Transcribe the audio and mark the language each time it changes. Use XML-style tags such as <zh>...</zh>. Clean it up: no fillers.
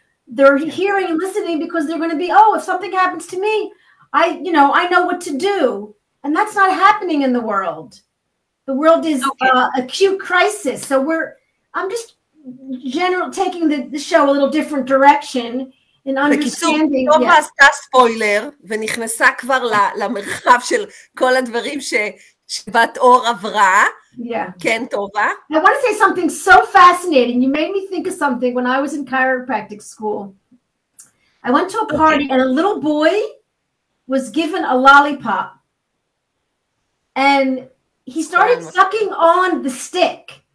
<en>They're hearing and listening because they're going to be, oh, if something happens to me, I know what to do. And that's not happening in the world. The world is acute crisis. So I'm just general taking the show a little different direction in understanding.</en> <he>בקיצור, לא עשתה ספוילר ונכנסה כבר למרחב של כל הדברים שבת אור עברה.</he> <en>Yeah.</en> <he>כן, טובה.</he> <en>I want to say something so fascinating. You made me think of something. When I was in chiropractic school, I went to a party and a little boy was given a lollipop. And he started sucking on the stick.</en>